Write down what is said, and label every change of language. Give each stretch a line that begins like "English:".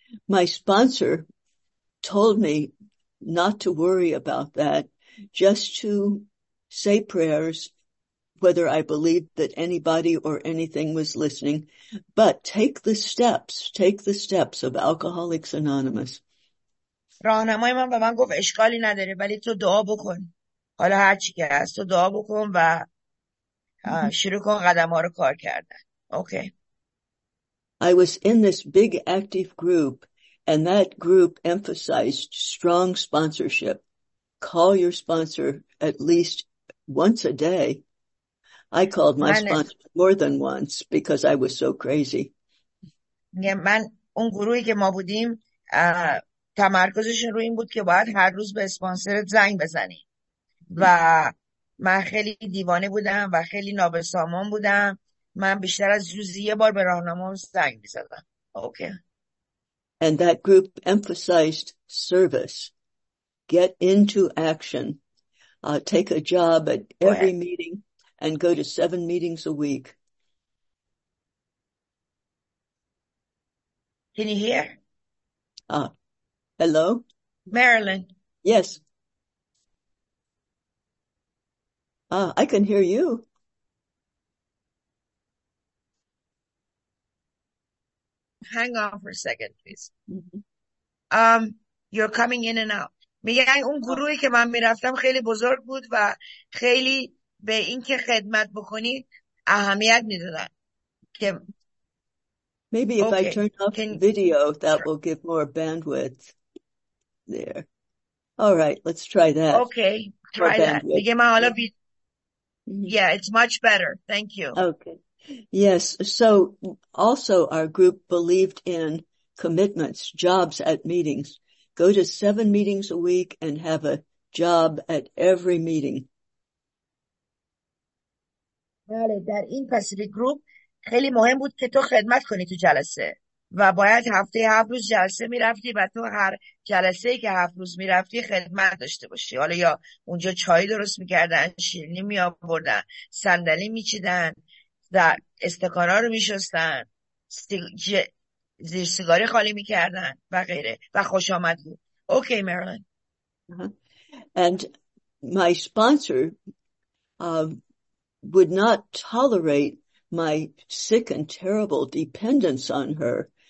English: My sponsor told me not to worry about that, just to say prayers, whether I believed that anybody or anything was listening, but take the steps of Alcoholics Anonymous.
Persian: راهنمای من به من گفت اشکالی نداره ولی تو دعا بکن، حالا هر چی که هست تو دعا بکن و شروع کن قدم ها رو کار کردن.
English: Okay. I was in this big active group and that group emphasized strong sponsorship. Call your sponsor at least once a day. I called my sponsor more than once because I was so crazy.
Persian: من اون گروهی که ما بودیم تمرکزشون رو این بود که باید هر روز به اسپانسرت زنگ بزنی و من خیلی دیوانه بودم و خیلی نابسامان بودم. من بیشتر از روزی یه بار به راهنمام زنگ می‌زدم.
English: Okay. And that group emphasized service. Get into action. Take a job at every meeting and go to 7 meetings a week. Can you hear? Hello? Marilyn. Yes. I can hear you. Hang on for a second, please. You're coming in and out.
Persian: میگن اون گروهی که من میرفتم خیلی بزرگ بود و خیلی به اینکه خدمت بکنی اهمیت میدادن.
English: Maybe if I turn off the video, that will give more bandwidth there. All right, let's try that. Okay, More try that. bandwidth.
Persian: میگه من حالا
English: Yeah. بی... Yeah, it's much better. Thank you. Okay. Yes. So also our group believed in commitments, jobs at meetings. Go to 7 meetings a week and have a job at every meeting.
Persian: بله، در این پسیوی گروپ خیلی مهم بود که تو خدمت کنی تو جلسه و باید هفته 7 روز جلسه می رفتی و تو هر جلسه ای که 7 روز می رفتی خدمت داشته باشی. حالا یا اونجا چای درست می کردن، شیرینی می آوردن، صندلی می چیدن، در استکانه رو می شستن، زیر سیگاری خالی می کردن و غیره و خوش آمد بود.
English: Okay Marilyn. And my sponsor would not tolerate my sick and terrible dependence on her.